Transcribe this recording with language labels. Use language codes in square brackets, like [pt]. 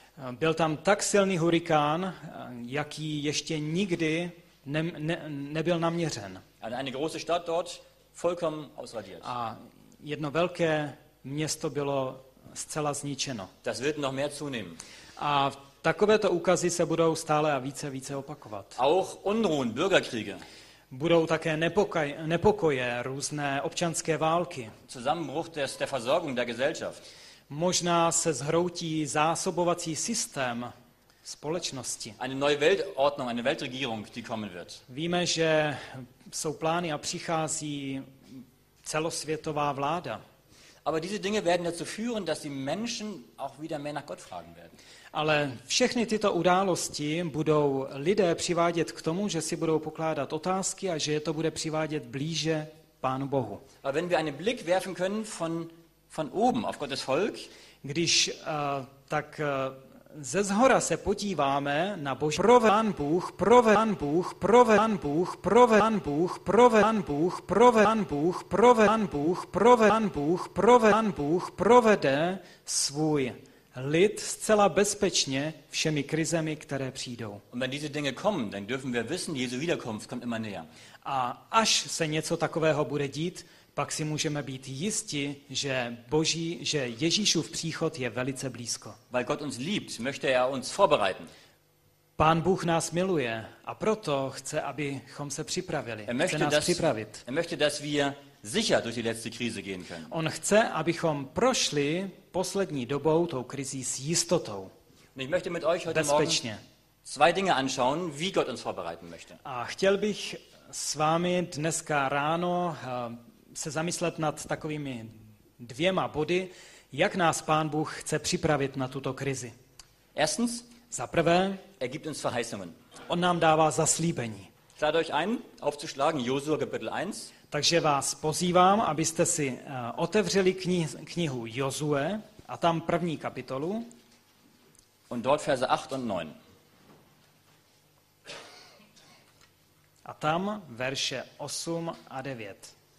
[cs] Byl tam tak silný hurikán, jaký ještě nikdy nebyl naměřen. [de] Eine große Stadt dort vollkommen ausradiert. [cs] A jedno velké město bylo zcela zničeno. [de] Das wird noch mehr zunehmen. [cs] A takovéto úkazy se budou stále a více opakovat. [de] Auch Unruhen, Bürgerkriege. [cs] Budou také nepokoje, různé občanské války. [de] Zusammenbruch der Versorgung der Gesellschaft. [cs] Možná se zhroutí zásobovací systém společnosti. [de] Eine neue Weltordnung, eine Weltregierung, die kommen wird. [cs] Víme, že jsou plány a přichází celosvětová vláda. [de] Aber diese Dinge werden dazu führen, dass die Menschen auch wieder mehr nach Gott fragen werden. [cs] Ale všechny tyto události budou lidé přivádět k tomu, že si budou pokládat otázky a že je to bude přivádět blíže Pánu Bohu. [de] Aber wenn wir einen Blick werfen können von oben auf Gottes Volk, [cs] když tak ze zhora se podíváme na Boží Pán Bůh provede svůj lid zcela bezpečně všemi krizemi, které přijdou. [de] Und wenn diese Dinge kommen, dann dürfen wir wissen, Jesu Wiederkunft kommt immer näher. [cs] A až se něco takového bude dít, pak si můžeme být jisti, že Ježíšův příchod je velice blízko. [de] Weil Gott uns liebt, möchte er uns vorbereiten. [cs] Pán Bůh nás miluje a proto chce, abychom se připravili. [de] Er möchte, dass wir sicher durch die letzte Krise gehen können. [cs] On chce, abychom prošli poslední dobou tou krizí s jistotou. [de] Und ich möchte mit euch heute morgen zwei Dinge anschauen, wie Gott uns vorbereiten möchte. [cs] A chtěl bych s vámi dneska ráno se zamyslet nad takovými dvěma body, jak nás Pán Bůh chce připravit na tuto krizi. [de] Erstens, [cs] za prvé, [de] er gibt uns Verheißungen. [cs] On nám dává zaslíbení. [de] Schlagt euch ein, aufzuschlagen, Josua Kapitel 1. [cs] Takže vás pozývám, abyste si otevřeli knihu Josue a tam první kapitolu. [de] Und dort verse 8 und 9. [cs] A tam verše 8 a 9.